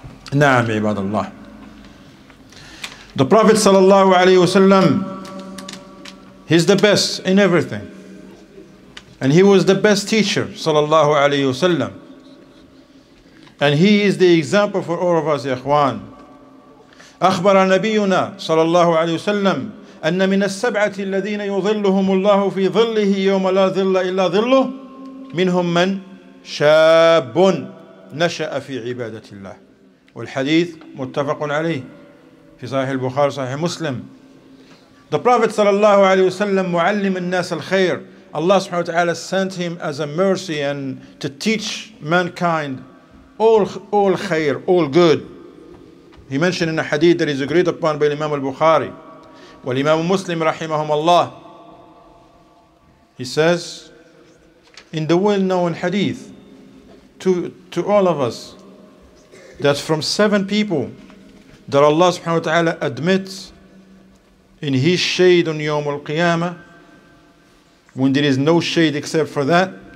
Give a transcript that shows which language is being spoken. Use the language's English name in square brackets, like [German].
[English] Na'am ibadallah. The Prophet sallallahu alayhi wasallam, he's the best in everything. And he was the best teacher, sallallahu alayhi wasallam. And he is the example for all of us, ya ikhwan. [Arabic] أخبر نبينا صلى الله عليه وسلم أن من السبعة الذين يظلهم الله في ظله يوم لا ظل إلا ظله منهم من شاب نشأ في عبادة الله. والحديث متفق عليه في صحيح البخاري صحيح مسلم. [English] The Prophet [Arabic] صلى الله عليه وسلم معلم الناس الخير. [English] Allah سبحانه وتعالى sent him as a mercy and to teach mankind all khair, all good. He mentioned in a hadith that is agreed upon by Imam al-Bukhari and Imam Muslim rahimahum Allah. He says in the well-known hadith to all of us that from seven people that Allah subhanahu wa ta'ala admits in his shade on Yawm al-Qiyamah, when there is no shade except for that,